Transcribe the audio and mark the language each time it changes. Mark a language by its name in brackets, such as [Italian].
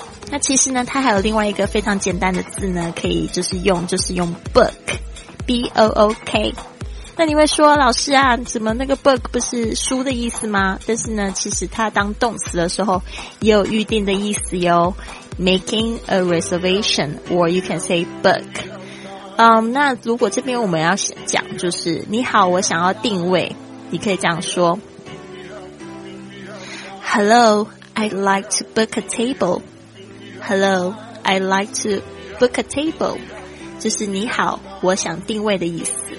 [Chinese] 那其实呢，它还有另外一个非常简单的字呢，可以就是用 book, B-O-O-K。那你会说，老师啊，怎么那个 book 不是书的意思吗？但是呢，其实它当动词的时候也有预定的意思哟。 [English] Making a reservation, or you can say book. [Chinese] 那如果这边我们要讲就是，你好，我想要定位，你可以这样说。 [English] Hello, I'd like to book a table. Hello, I'd like to book a table. [Chinese] 就是你好，我想定位的意思。